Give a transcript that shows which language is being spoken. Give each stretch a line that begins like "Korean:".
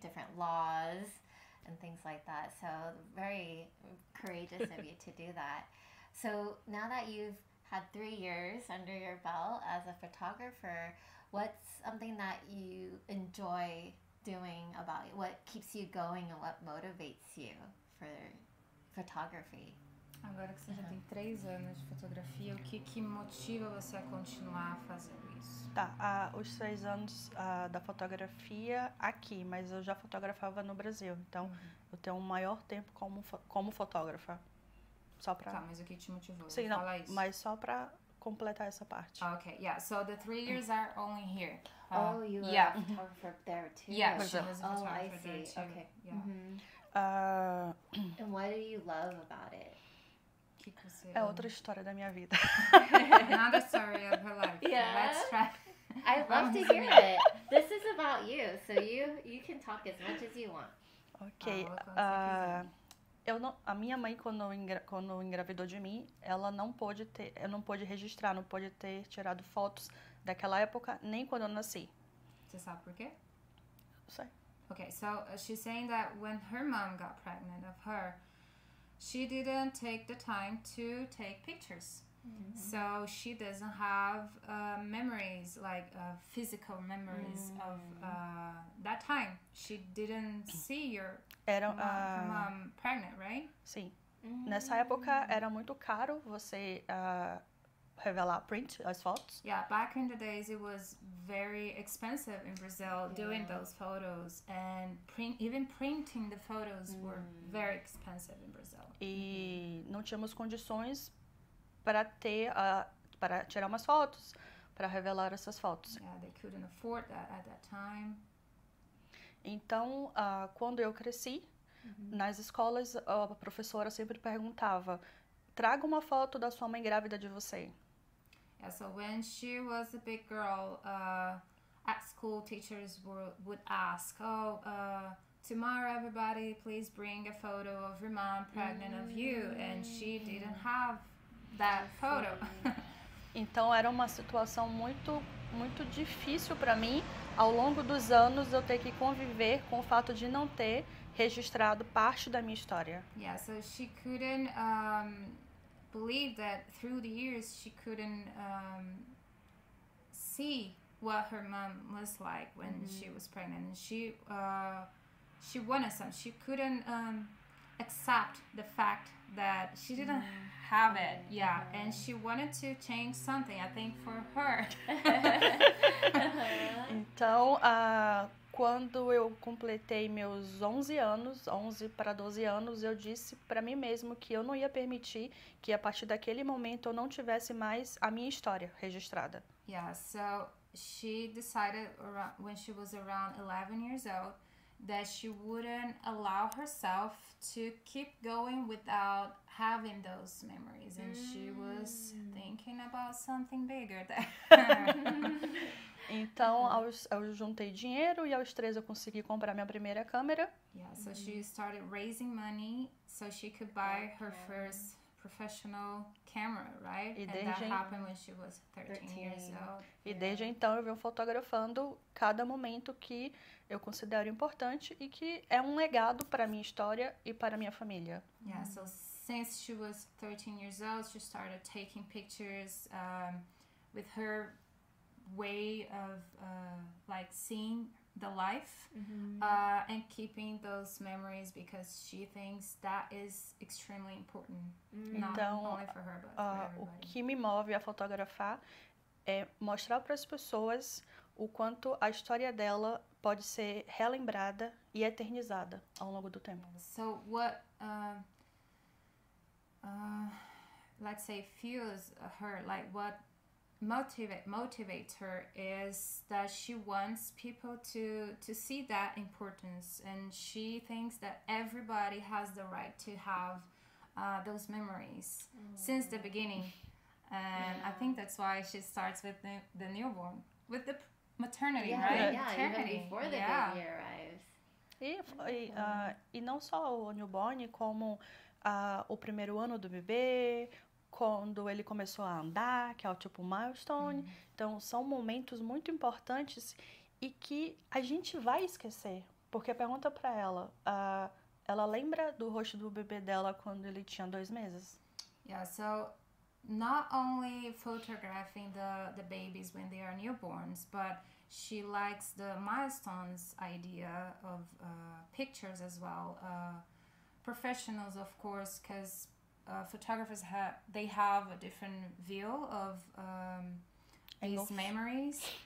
English: Different laws and things like that. So very courageous of you to do that. So now that you've had 3 years under your belt as a photographer, what's something that you enjoy doing about it? What keeps you going and what motivates you for photography?
Portuguese: Agora que você já tem 3 anos de fotografia, o que que motiva você a continuar fazendo isso? Tá, os 3 anos da fotografia aqui, mas eu já fotografava no Brasil. Então, eu tenho um maior tempo como fotógrafa. Só pra... Tá, mas o que te motivou? Sim, não, falar isso? Mas só pra... Completar essa parte.
English: Okay, yeah. So the 3 years are only here. You were a photographer there too. Yeah, she was a photographer there too. Okay. Yeah. Mm-hmm. And what do you love about it?
Portuguese: É outra história da minha vida.
English: Another story of her life. Yeah. So let's try. I love to hear it. This is about you, so you can talk as much as you want. Okay.
Portuguese: Eu não, a minha mãe, quando engravidou de mim, ela não pôde ter, eu não pôde registrar, não pôde ter tirado fotos daquela época, nem quando eu nasci. Você sabe por quê? Sei.
English: Okay, so she's saying that when her mom got pregnant of her, she didn't take the time to take pictures. Mm-hmm. So she doesn't have memories, like physical memories mm-hmm. of that time. She didn't see your mom pregnant, right?
Portuguese: Sim. Mm-hmm. Nessa época era muito caro você revelar print, as fotos.
English: Yeah, back in the days it was very expensive in Brazil doing those photos. And even printing the photos mm-hmm. were very expensive in Brazil.
Portuguese: E não tínhamos condições... Para ter para tirar umas fotos, para revelar essas fotos.
English: Yeah, they couldn't afford that at that time.
Portuguese: Então, quando eu cresci, mm-hmm. nas escolas, a professora sempre perguntava, traga uma foto da sua mãe grávida de você.
English: Yeah, so when she was a big girl, at school teachers would ask, tomorrow, everybody, please bring a photo of your mom pregnant mm-hmm. of you. And she didn't have that photo.
Portuguese: Então era uma situação muito, muito difícil para mim ao longo dos anos eu ter que conviver com o fato de não ter registrado parte da minha história.
English: Yeah, so she couldn't believe that through the years she couldn't see what her mom was like when mm-hmm. she was pregnant. She wanted some. She couldn't accept the fact that she didn't mm-hmm. have it, yeah, and she wanted to change something, I think, for her.
Portuguese: Então, quando eu completei meus 11 anos, 11 para 12 anos, eu disse para mim mesmo que eu não ia permitir que a partir daquele momento eu não tivesse mais a minha história registrada.
English: Yeah, so she decided when she was around 11 years old that she wouldn't allow herself to keep going without having those memories. And she was thinking about something bigger there.
Portuguese: Então, eu juntei dinheiro e aos 13 eu consegui comprar minha primeira câmera.
English: Yeah, so she started raising money so she could buy her first professional camera, right?
Portuguese: E
English: and that happened when she was 13 years old.
Portuguese: E desde então eu venho fotografando cada momento que eu considero importante e que é um legado para minha história e para minha família.
English: Yeah, so since she was 13 years old, she started taking pictures with her way of like seeing the life mm-hmm. And keeping those memories because she thinks that is extremely important, mm-hmm. not
Portuguese: então,
English: only for her, but for everybody.
Portuguese: O que me move a fotografar é mostrar para as pessoas o quanto a história dela pode ser relembrada e eternizada ao longo do tempo.
English: So what, let's say, fuels her, like what motivates her is that she wants people to see that importance, and she thinks that everybody has the right to have those memories since the beginning. And I think that's why she starts with the newborn, with the maternity, Even before the baby arrives.
Portuguese: E não só o newborn, como o primeiro ano do bebê, quando ele começou a andar, que é o tipo milestone. Então, são momentos muito importantes e que a gente vai esquecer. Porque pergunta pra ela, ela lembra do rosto do bebê dela quando ele tinha 2 meses?
English: Yeah, so not only photographing the babies when they are newborns, but she likes the milestones idea of pictures as well. Professionals, of course, because photographers they have a different view of these memories.